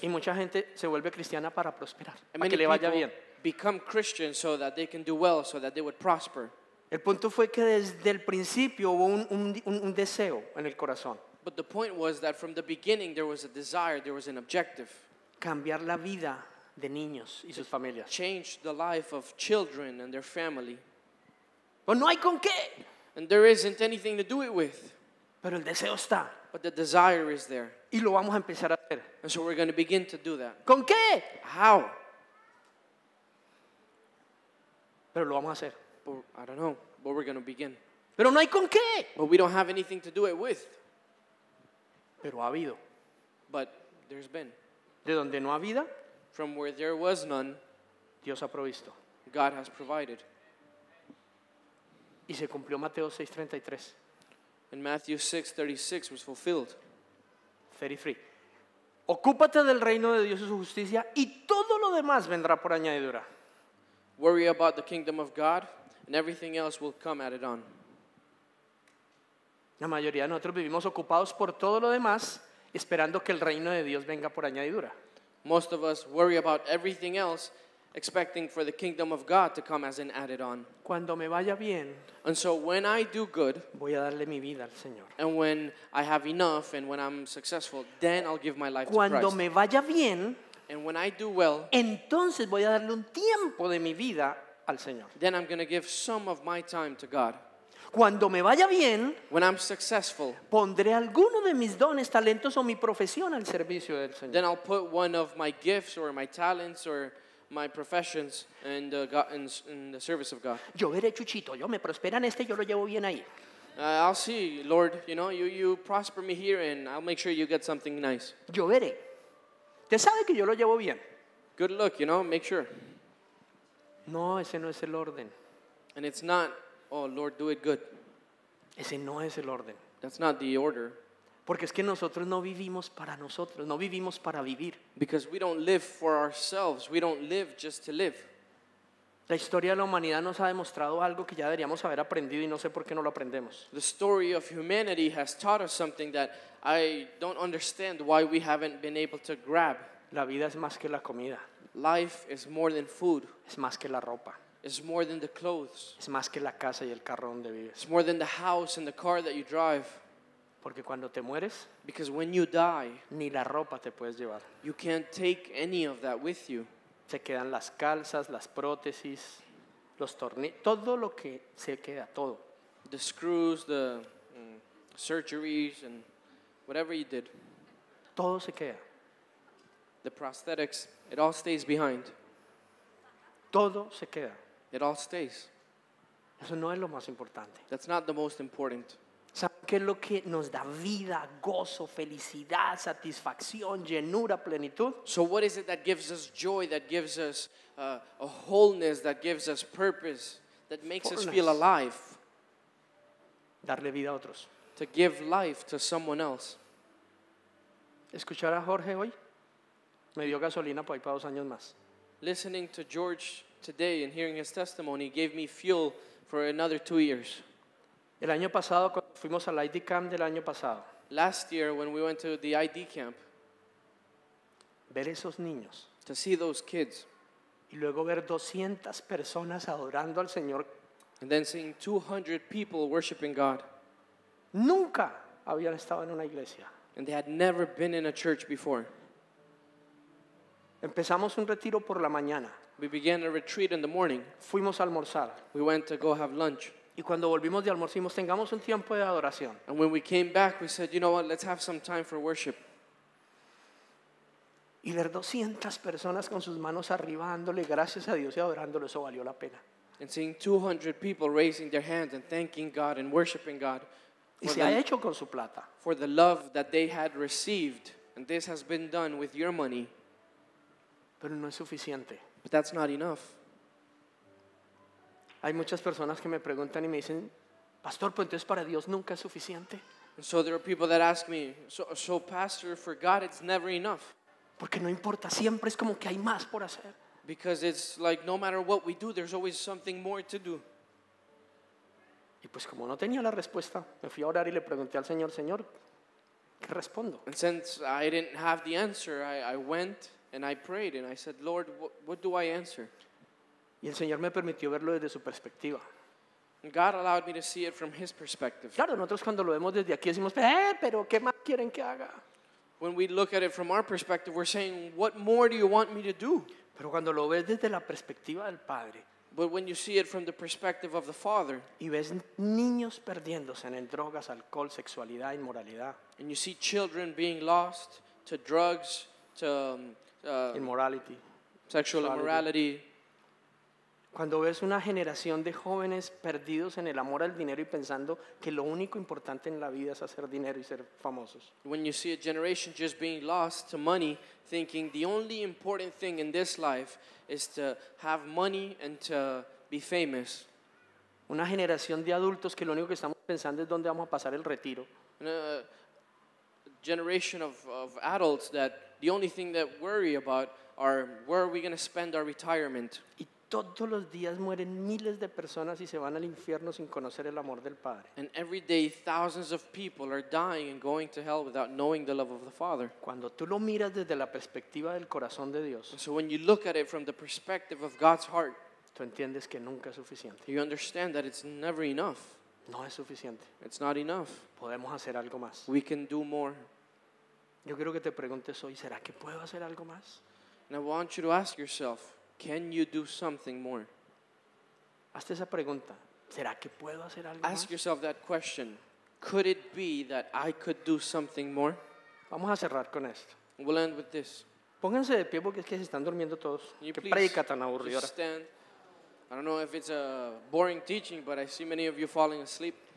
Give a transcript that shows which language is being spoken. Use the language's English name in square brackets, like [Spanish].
[Spanish] Y mucha gente se vuelve cristiana para prosperar, para que le vaya bien. [English] Become Christian so that they can do well, so that they would prosper. [Spanish] El punto fue que desde el principio hubo un deseo en el corazón. [English] But the point was that from the beginning there was a desire, there was an objective. [Spanish] Cambiar la vida de niños y sus familias. [English] Change the life of children and their family. [Spanish] Pero no hay con qué. [English] And there isn't anything to do it with. [Spanish] Pero el deseo está. [English] But the desire is there. [Spanish] Y lo vamos a empezar a hacer. [English] And so we're going to begin to do that. [Spanish] ¿Con qué? [English] How? [Spanish] Pero lo vamos a hacer. [English] I don't know, but we're going to begin. [Spanish] Pero no hay con qué. [English] But we don't have anything to do it with. [Spanish] Pero ha habido. [English] But there's been. [Spanish] De donde no ha vida, [English] from where there was none, [Spanish] Dios ha provisto. [English] God has provided. [Spanish] Y se cumplió Mateo 6:33. [English] And Matthew 6:36 was fulfilled. 33. [Spanish] Ocúpate del reino de Dios y su justicia, y todo lo demás vendrá por añadidura. [English] Worry about the kingdom of God, and everything else will come added on. [Spanish] La mayoría de nosotros vivimos ocupados por todo lo demás, esperando que el reino de Dios venga por añadidura. [English] Most of us worry about everything else, expecting for the kingdom of God to come as an added on. [Spanish] Cuando me vaya bien, [English] and so when I do good, [Spanish] voy a darle mi vida al Señor. [English] And when I have enough and when I'm successful, then I'll give my life [Spanish] cuando [English] to Christ. [Spanish] Cuando me vaya bien, [English] And when I do well, [Spanish] entonces voy a darle un tiempo de mi vida al Señor. [English] Then I'm going to give some of my time to God. [Spanish] Cuando me vaya bien, [English] when I'm successful, [Spanish] pondré alguno de mis dones, talentos o mi profesión al servicio del Señor. [English] Then I'll put one of my gifts or my talents or my professions in the service of God. [Spanish] Yo veré, Chuchito, yo me prospera en este, yo lo llevo bien ahí. [English] I'll see, Lord, you know, you prosper me here and I'll make sure you get something nice. [Spanish] Yo veré. Te sabe que yo lo llevo bien. [English] Good luck, you know, make sure. [Spanish] No, ese no es el orden. [English] And it's not, oh Lord, do it good. [Spanish] Ese no es el orden. [English] That's not the order. [Spanish] Porque es que nosotros no vivimos para nosotros, no vivimos para vivir. [English] Because we don't live for ourselves, we don't live just to live. [Spanish] La historia de la humanidad nos ha demostrado algo que ya deberíamos haber aprendido y no sé por qué no lo aprendemos. [English] The story of humanity has taught us something that I don't understand why we haven't been able to grab. [Spanish] La vida es más que la comida. [English] Life is more than food. [Spanish] Es más que la ropa. [English] It's more than the clothes. [Spanish] Es más que la casa y el carro donde vives. [English] It's more than the house and the car that you drive. [Spanish] Porque cuando te mueres, [English] because when you die, [Spanish] ni la ropa te puedes llevar. [English] You can't take any of that with you. [Spanish] Se quedan las calzas, las prótesis, los tornillos, todo lo que se queda, todo. [English] The screws, the surgeries, and whatever you did. [Spanish] Todo se queda. [English] The prosthetics, it all stays behind. [Spanish] Todo se queda. [English] It all stays. [Spanish] Eso no es lo más importante. [English] That's not the most important. [Spanish] ¿Sabes qué es lo que nos da vida, gozo, felicidad, satisfacción, llenura, plenitud? [English] So what is it that gives us joy, that gives us a wholeness, that gives us purpose, that makes us feel alive? [Spanish] Darle vida a otros. [English] To give life to someone else. [Spanish] Escuchar a Jorge hoy me dio gasolina para ir para 2 años más. [English] Listening to George today and hearing his testimony gave me fuel for another 2 years. [Spanish] El año pasado cuando fuimos al ID camp del año pasado. [English] Last year when we went to the ID camp. [Spanish] Ver esos niños. [English] To see those kids. [Spanish] Y luego ver 200 personas adorando al Señor. [English] And then seeing 200 people worshiping God. [Spanish] Nunca habían estado en una iglesia. [English] And they had never been in a church before. [Spanish] Empezamos un retiro por la mañana. [English] We began a retreat in the morning. [Spanish] Fuimos a almorzar. [English] We went to go have lunch. [Spanish] Y cuando volvimos de almuerzo, dijimos, tengamos un tiempo de adoración. [English] And when we came back, we said, you know what, let's have some time for worship. [Spanish] Y ver 200 personas con sus manos arriba dándole gracias a Dios y adorándolo, eso valió la pena. [English] And seeing 200 people raising their hands and thanking God and worshiping God. [Spanish] Y se ha hecho con su plata. [English] For the love that they had received. And this has been done with your money. [Spanish] Pero no es suficiente. [English] But that's not enough. [Spanish] Hay muchas personas que me preguntan y me dicen, pastor, pues entonces para Dios nunca es suficiente. [English] So there are people that ask me, so pastor, for God it's never enough. [Spanish] Porque no importa, siempre es como que hay más por hacer. [English] Because it's like no matter what we do, there's always something more to do. [Spanish] Y pues como no tenía la respuesta, me fui a orar y le pregunté al Señor, Señor, ¿qué respondo? [English] And since I didn't have the answer, I went and I prayed and I said, Lord, what do I answer? [Spanish] Y el Señor me permitió verlo desde su perspectiva. [English] God allowed me to see it from his perspective. [Spanish] Claro, nosotros cuando lo vemos desde aquí decimos, pero ¿qué más quieren que haga? [English] When we look at it from our perspective, we're saying, what more do you want me to do? [Spanish] Pero cuando lo ves desde la perspectiva del Padre. [English] But when you see it from the perspective of the Father. [Spanish] Y ves niños perdiéndose en drogas, alcohol, sexualidad, inmoralidad. [English] And you see children being lost to drugs, to immorality. Sexual immorality. [Spanish] Cuando ves una generación de jóvenes perdidos en el amor al dinero y pensando que lo único importante en la vida es hacer dinero y ser famosos. [English] When you see a generation just being lost to money, thinking the only important thing in this life is to have money and to be famous. [Spanish] Una generación de adultos que lo único que estamos pensando es dónde vamos a pasar el retiro. [English] A generation of adults that the only thing that worry about are where are we going to spend our retirement. [Spanish] Todos los días mueren miles de personas y se van al infierno sin conocer el amor del Padre. [English] And every day thousands of people are dying and going to hell without knowing the love of the Father. [Spanish] Cuando tú lo miras desde la perspectiva del corazón de Dios. [English] So when you look at it from the perspective of God's heart. [Spanish] Tú entiendes que nunca es suficiente. [English] You understand that it's never enough. [Spanish] No es suficiente. [English] It's not enough. [Spanish] Podemos hacer algo más. [English] We can do more. [Spanish] Yo quiero que te preguntes hoy, ¿será que puedo hacer algo más? [English] And I want you to ask yourself, can you do something more? [Spanish] Hazte esa pregunta. ¿Será que puedo hacer algo más? [English] Ask yourself that question. Could it be that I could do something more? [Spanish] Vamos a cerrar con esto. [English] We'll end with this. [Spanish] Pónganse de pie porque es que se están durmiendo todos. Qué predica tan aburridora. [English] Stand. I don't know if it's a boring teaching, but I see many of you falling asleep.